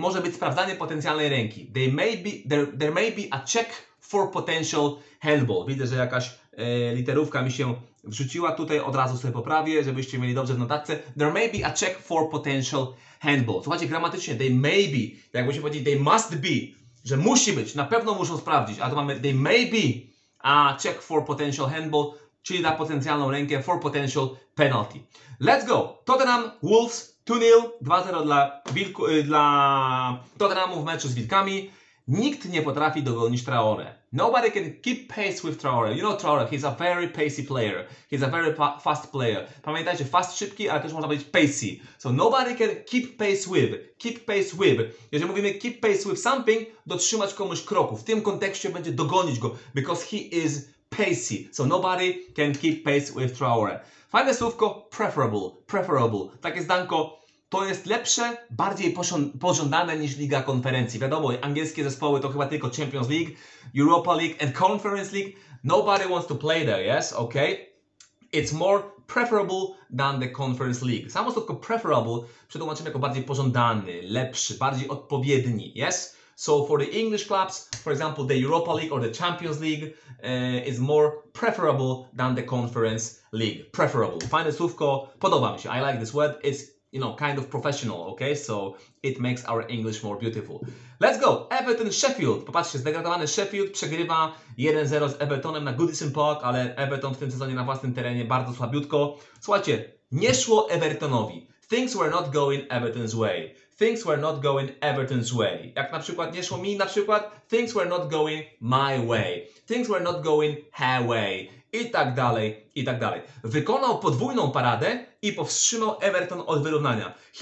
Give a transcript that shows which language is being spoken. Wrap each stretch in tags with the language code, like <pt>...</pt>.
<pl>Może być sprawdzanie potencjalnej ręki.</pl> <en>There may be a check for potential handball.</en> <pl>Widzę, że jakaś literówka mi się wrzuciła. Tutaj od razu sobie poprawię, żebyście mieli dobrze w notatce.</pl> <en>There may be a check for potential handball.</en> <pl>Słuchajcie, gramatycznie,</pl> <en>they may be.</en> <pl>Jakby się powiedzieć,</pl> <en>they must be.</en> <pl>Że musi być, na pewno muszą sprawdzić. A tu mamy,</pl> <en>they may be a check for potential handball.</en> <pl>Czyli da potencjalną rękę</pl> <en>for potential penalty. Let's go.</en> <pl>Tottenham, Wolves. 2-0, 2-0 dla Tottenhamu w meczu z Wilkami. Nikt nie potrafi dogonić Traore.</pl> <en>Nobody can keep pace with Traore. You know Traore, he's a very pacey player. He's a very fast player.</en> <pl>Pamiętajcie, fast, szybki, ale też można powiedzieć pacey.</pl> <en>So nobody can keep pace with. Keep pace with.</en> <pl>Jeżeli mówimy</pl> <en>keep pace with something,</en> <pl>dotrzymać komuś kroku. W tym kontekście będzie dogonić go.</pl> <en>Because he is pacey. So nobody can keep pace with Traore.</en> <pl>Fajne słówko, preferable, preferable. Takie zdanko, to jest lepsze, bardziej pożądane niż Liga Konferencji. Wiadomo, angielskie zespoły to chyba tylko Champions League, Europa League and Conference League.</pl> <en>Nobody wants to play there, yes? Ok? It's more preferable than the Conference League.</en> <pl>Samo słówko preferable przetłumaczymy jako bardziej pożądany, lepszy, bardziej odpowiedni, yes?</pl> <en>So for the English clubs, for example, the Europa League or the Champions League is more preferable than the Conference League. Preferable.</en> <pl>Fajne słówko. Podoba mi się.</pl> <en>I like this word. It's you know, kind of professional, okay? So it makes our English more beautiful. Let's go! Everton Sheffield.</en> <pl>Popatrzcie, zdegradowany Sheffield przegrywa 1-0 z Evertonem na Goodison Park, ale Everton w tym sezonie na własnym terenie bardzo słabiutko. Słuchajcie, nie szło Evertonowi.</pl> <en>Things were not going Everton's way. Things were not going Everton's way.</en> <pl>Jak na przykład nie szło mi, na przykład</pl> <en>things were not going my way. Things were not going her way.</en> <pl>I tak dalej, i tak dalej. Wykonał podwójną paradę i powstrzymał Everton od wyrównania.</pl>